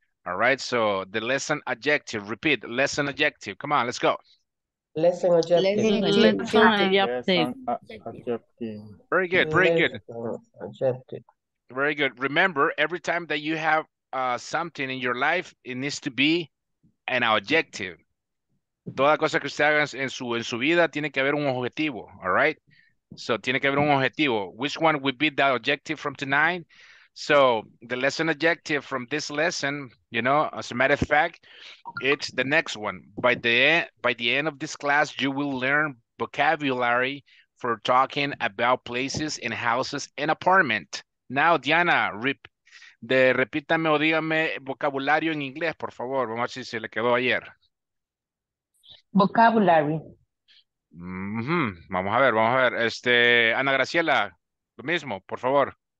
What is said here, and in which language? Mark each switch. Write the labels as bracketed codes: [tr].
[en] All right, so the lesson objective, repeat, lesson objective. Come on, let's go. Lesson objective. Lesson objective. Very good, very good. Lesson objective. Very good. Remember, every time that you have something in your life, it needs to be an objective. [es] Toda cosa que usted haga en su vida tiene que haber un objetivo, [en] all right? [es] So tiene que haber un objetivo. [en] Which one would be that objective from tonight? So the lesson objective from this lesson, you know, as a matter of fact, it's the next one. By the end of this class, you will learn vocabulary for talking about places and houses and apartment. [es] Now, Diana, repítame o dígame vocabulario en inglés, por favor. Vamos a ver si se le quedó ayer. [en] Vocabulary. [es] Mm-hmm. Vamos a ver. Ana Graciela, lo mismo, por favor.